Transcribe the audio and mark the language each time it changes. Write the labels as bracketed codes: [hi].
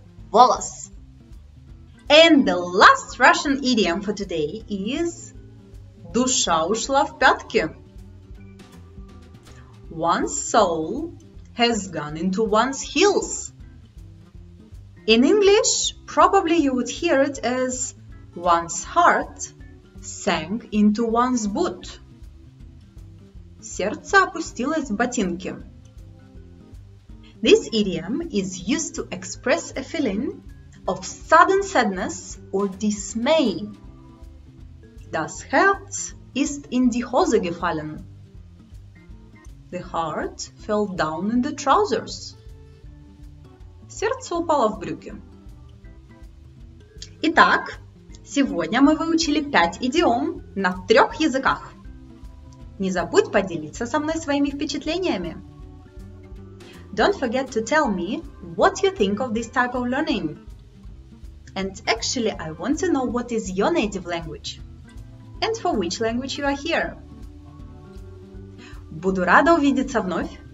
[ru] Волос. [en] And the last Russian idiom for today is [ru] душа ушла в пятки. [en] One's soul has gone into one's heels. In English, probably you would hear it as one's heart sank into one's boot. [ru] Сердце опустилось в ботинки. [en] This idiom is used to express a feeling of sudden sadness or dismay. [de] Das Herz ist in die Hose gefallen. [en] The heart fell down in the trousers. [ru] Сердце упало в брюки. Итак, сегодня мы выучили 5 идиом на 3 языках. Не забудь поделиться со мной своими впечатлениями. [en] Don't forget to tell me what you think of this type of learning. And actually, I want to know what is your native language and for which language you are here. [ru] Буду рада увидеться вновь.